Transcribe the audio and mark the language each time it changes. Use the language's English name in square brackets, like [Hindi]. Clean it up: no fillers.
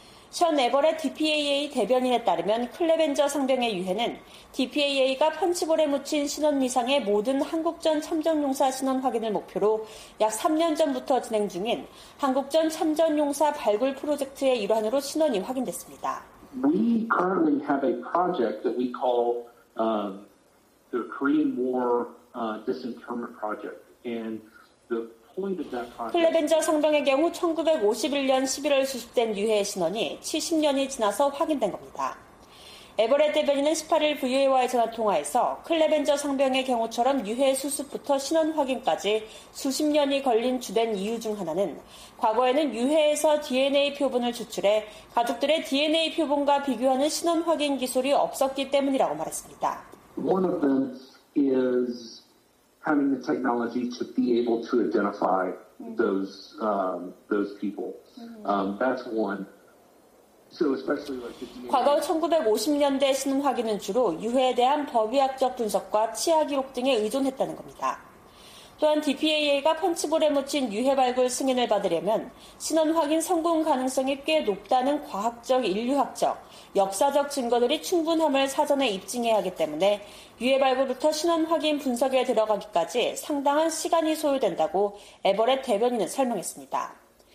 [Korean] 션 에버렛 DPAA 대변인에 따르면 클레벤저 상병의 유해는 DPAA가 펀치볼에 묻힌 신원 미상의 모든 한국전 참전용사 신원 확인을 목표로 약 3년 전부터 진행 중인 한국전 참전용사 발굴 프로젝트의 일환으로 신원이 확인됐습니다. [English] We currently have a project that we call the Korean War Disinterment Project. And the point of that project. [Korean] 클레벤저 상병의 경우 1951년 11월 수습된 유해의 신원이 70년이 지나서 확인된 겁니다. 에버렛 대변인은 18일 VOA와의 전화통화에서 클레벤저 상병의 경우처럼 유해 수습부터 신원 확인까지 수십 년이 걸린 주된 이유 중 하나는 과거에는 유해에서 DNA 표본을 추출해 가족들의 DNA 표본과 비교하는 신원 확인 기술이 없었기 때문이라고 말했습니다. [English] One of them is having the technology to be able to identify those people. That's one. [Korean] 과거 1950년대 신원 확인은 주로 유해에 대한 법의학적 분석과 치아 기록 등에 의존했다는 겁니다. 또한 DPAA가 펀치볼에 묻힌 유해 발굴 승인을 받으려면 신원 확인 성공 가능성이 꽤 높다는 과학적, 인류학적, 역사적 증거들이 충분함을 사전에 입증해야 하기 때문에 유해 발굴부터 신원 확인 분석에 들어가기까지 상당한 시간이 소요된다고 에버렛 대변인은 설명했습니다.